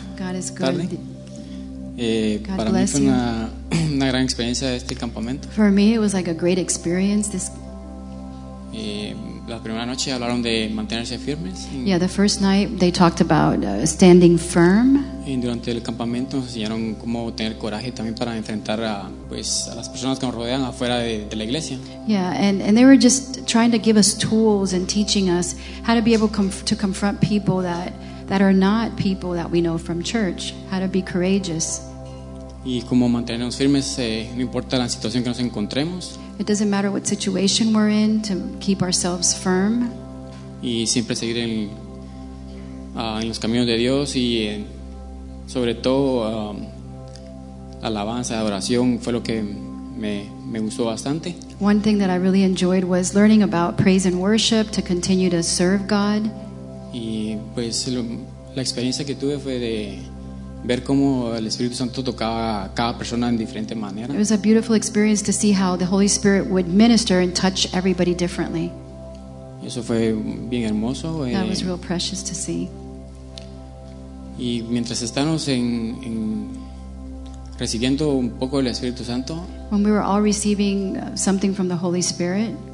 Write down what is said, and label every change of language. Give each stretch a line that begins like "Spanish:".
English: God is good.
Spanish: Tarde.
English: God
Spanish: para
English: bless
Spanish: mí fue una gran experiencia este campamento.
English: For me, it was like a great experience. This
Spanish: la primera noche hablaron de mantenerse firmes.
English: Yeah, the first night they talked about standing firm.
Spanish: Y durante el campamento nos enseñaron cómo tener coraje también para enfrentar a pues a las personas que nos rodean afuera de la iglesia.
English: Yeah, and they were just trying to give us tools and teaching us how to be able to confront people that are not people that we know from church, how to be courageous.
Spanish: Y cómo mantenernos firmes, no importa la situación que nos encontremos.
English: It doesn't matter what situation we're in, to keep ourselves firm.
Spanish: Y siempre seguir en los caminos de Dios y sobre todo alabanza, adoración fue lo que me gustó bastante.
English: One thing that I really enjoyed was learning about praise and worship to continue to serve God.
Spanish: Y pues la experiencia que tuve fue de ver cómo el Espíritu Santo tocaba a cada persona en diferente manera.
English: It was a beautiful experience to see how the Holy Spirit would minister and touch everybody differently.
Spanish: Eso fue bien hermoso.
English: That was real precious to see.
Spanish: Y mientras estábamos en recibiendo un poco del Espíritu Santo,
English: when we were all receiving something from the Holy Spirit.